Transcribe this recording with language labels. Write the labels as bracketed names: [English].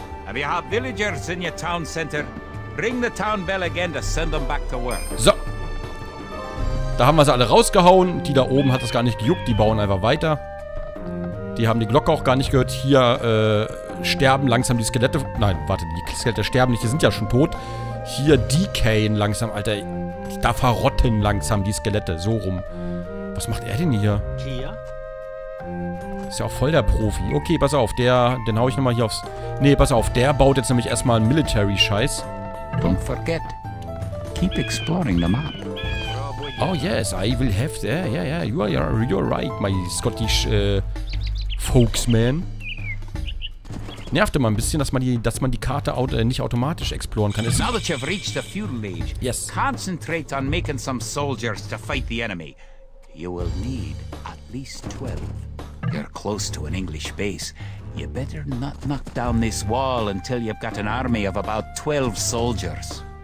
[English] If you have villagers in your town center, ring the town bell again to send them back to work. [German] So. Da haben wir sie alle rausgehauen. Die da oben hat das gar nicht gejuckt. Die bauen einfach weiter. Die haben die Glocke auch gar nicht gehört. Hier sterben langsam die Skelette. Nein, warte, die Skelette sterben nicht. Die sind ja schon tot. Hier decayen langsam. Alter, da verrotten langsam die Skelette. So rum. Was macht er denn hier? Hier? Ist ja auch voll der Profi. Okay, pass auf, der... Den hau ich nochmal hier aufs... Nee, pass auf, der baut jetzt nämlich erstmal einen Military-Scheiß. [English] Don't forget. Keep exploring the map. Oh yes, I will have... Yeah. You're right, my Scottish, Folksman. [German] Nervt immer ein bisschen, dass man die Karte nicht automatisch exploren kann. [English] Now that you've reached the feudal age, yes. Concentrate on making some soldiers to fight the enemy. You will need at least 12. You're close to an English base. You better not knock down this wall until you've got an army of about 12 soldiers.